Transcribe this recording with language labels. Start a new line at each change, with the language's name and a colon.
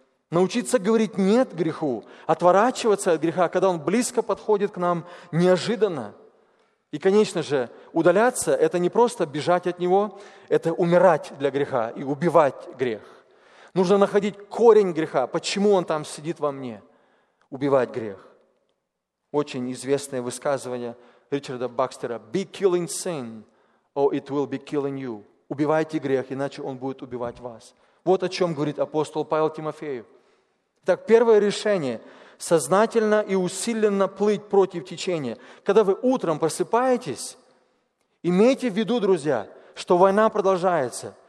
Russian: Научиться говорить «нет» греху, отворачиваться от греха, когда он близко подходит к нам неожиданно. И, конечно же, удаляться – это не просто бежать от него, это умирать для греха и убивать грех. Нужно находить корень греха, почему он там сидит во мне, убивать грех. Очень известное высказывание Ричарда Бакстера:
English: «Be killing sin, or it will be killing you».
Russian: Убивайте грех, иначе он будет убивать вас. Вот о чем говорит апостол Павел Тимофею. Итак, первое решение – сознательно и усиленно плыть против течения. Когда вы утром просыпаетесь, имейте в виду, друзья, что война продолжается.